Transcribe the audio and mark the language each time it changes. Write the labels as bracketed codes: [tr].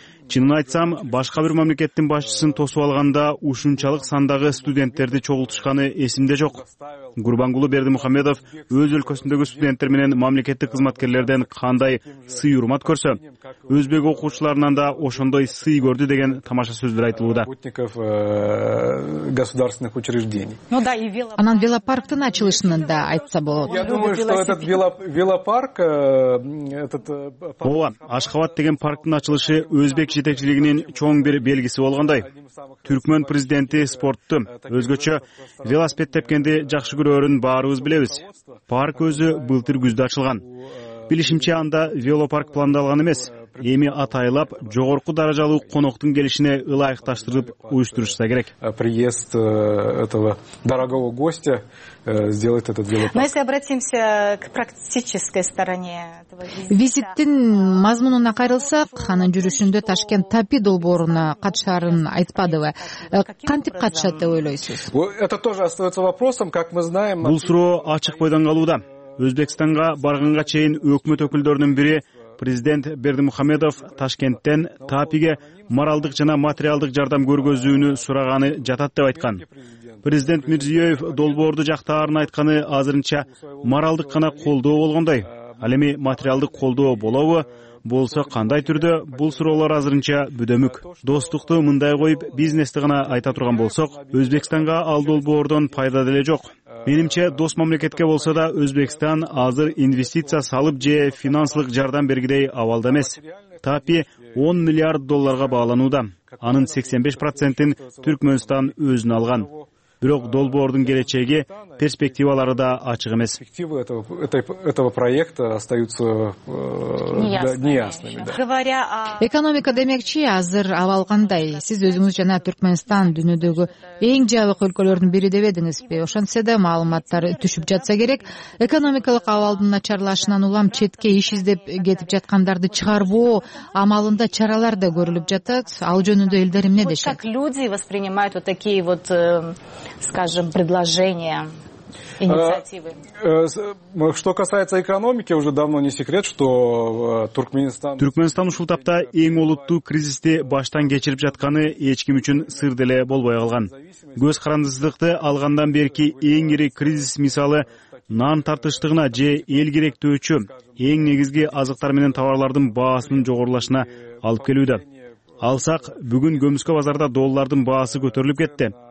[ky] Чынын айтсам, башка бир мамлекеттин башчысын тосуп алганда ушунчалык сандагы студенттерди чогултушканы эсимде жок. Гурбангулу Бердимухамедов өз өлкөсүндөгү студенттер менен мамлекеттик кызматкерлерден кандай сый урмат көрсө, өзбек окуучуларынан да ошондой сый көрдү деген тамаша сөздөр айтылууда. [ru] Государственных учреждений. Ну да, и велопарк. [ky] Анан велопарктын ачылышынан да айтса болот. [ru] Я думаю, что этот велопарк, [ky] Ооба, Ашкабат деген парктын ачылышы өзбек жетекчилигинин чоң бир белгиси болгондой. Түркмөн президенти спортту, өзгөчө велосипед тепкенди жакшы көрөрүн баарыбыз билебиз. Парк өзү былтыр күздө ачылган. Билишимче анда велопарк пландалган эмес. Эми атайлап жогорку даражалуу коноктун келишине ылайыкташтырып уюштурушса керек. [ru] Приезд этого дорогого гостя сделать этот велопарк. Но если обратимся к практической стороне этого [ky] визиттин мазмунуна кайрылсак, анын жүрүшүндө Ташкент Тапи долбооруна катышарын айтпадыбы? Кантип катышат деп ойлойсуз? [ru] Это тоже остается вопросом, как мы знаем. [ky] Бул суроо ачык бойдон калууда. Өзбекстанга барганга чейин өкмөт өкүлдөрүнүн бири президент Бердимухамедов Ташкенттен Тапиге моралдык жана материалдык жардам көргөзүүнү сураганы жатат деп айткан. Президент Мирзиёев долбоорду жактаарын айтканы азырынча моралдык гана колдоо болгондой. Ал эми материалдык колдоо болобу? Болсо кандай түрдө? Бул суроолор азырынча бүдөмүк. Достукту мындай коюп, бизнести гана айта турган болсок, Өзбекстанга ал долбоордон пайда деле жок. Менимче дос мамлекетке болсо да Өзбекстан азыр инвестиция салып же финансылык жардам бергидей абалда эмес. Тапи 10 миллиард долларга бааланууда. Анын 85% Түркмөнстан өзүнө алган. Бирок долбоордун келечеги, перспективалары да ачык эмес. [ru] Перспективы этого проекта остаются неясными. [ky] Экономика демекчи, азыр абал кандай? Сиз өзүңүз жана Түркмөнстан дүйнөдөгү эң жабык өлкөлөрдүн бири деп эдиңизби? Ошентсе да маалыматтар түшүп жатса керек. Экономикалык абалдын начарлашынан улам четке иш издеп кетип жаткандарды чыгарбоо амалында чаралар да көрүлүп жатат. Ал жөнүндө элдер эмне дешет? [ru] Как люди воспринимают вот такие вот, скажем, предложения, инициативы? Что касается экономики, уже давно не секрет, что [ky] Түркмөнстан ушул тапта эң олуттуу кризисти баштан кечирип жатканы эч ким үчүн сыр деле болбой калган. Көз карандысыздыкты алгандан берки эң ири кризис мисалы нан тартыштыгына же эл керектөөчү эң негизги азыктар менен товарлардын баасынын жогорулашына алып келүүдө. Алсак, бүгүн көмүскө базарда доллардын баасы көтөрүлүп кетти.